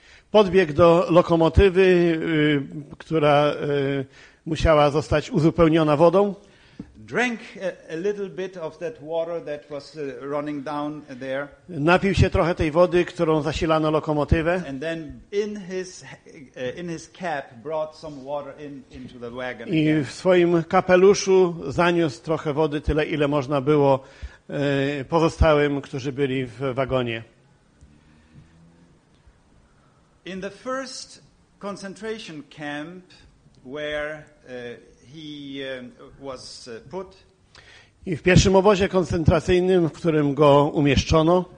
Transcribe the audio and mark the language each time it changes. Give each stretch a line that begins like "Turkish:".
Polish: Podbiegł do lokomotywy, która musiała zostać uzupełniona wodą.
English: Drank a little bit of that water that was running down there.
Polish: Napił się trochę tej wody, którą zasilano lokomotywę.
English: And then in his cap brought some water into the wagon. I again.
Polish: W swoim kapeluszu zaniósł trochę wody, tyle ile można było pozostałym, którzy byli w wagonie.
English: In the first concentration camp where he was put.
Polish: I w pierwszym obozie koncentracyjnym, w którym go umieszczono,